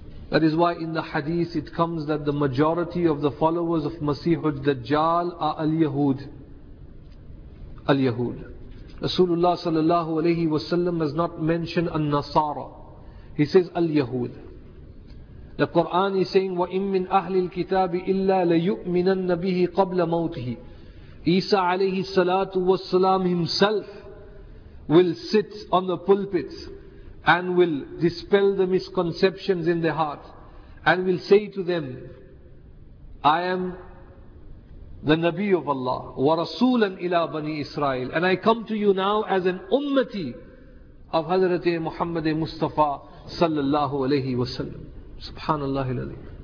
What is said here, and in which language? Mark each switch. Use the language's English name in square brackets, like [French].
[English] That is why in the hadith it comes that the majority of the followers of Masihud Dajjal are al-Yahud. Al-Yahud. Rasulullah sallallahu alayhi wa sallam has not mentioned al-Nasara. He says al-Yahud. The Quran is saying, [Arabic] وَإِن مِّنْ أَهْلِ الْكِتَابِ إِلَّا لَيُؤْمِنَنَّ بِهِ قَبْلَ مَوْتِهِ. [English] Isa alayhi salatu wa salam himself will sit on the pulpit and will dispel the misconceptions in their heart and will say to them, I am the Nabi of Allah, [Arabic] wa rasulan ila bani Israel, [English] and I come to you now as an ummati of Hazrat Muhammad Mustafa sallallahu alayhi wa sallam. Subhanallah alayhi.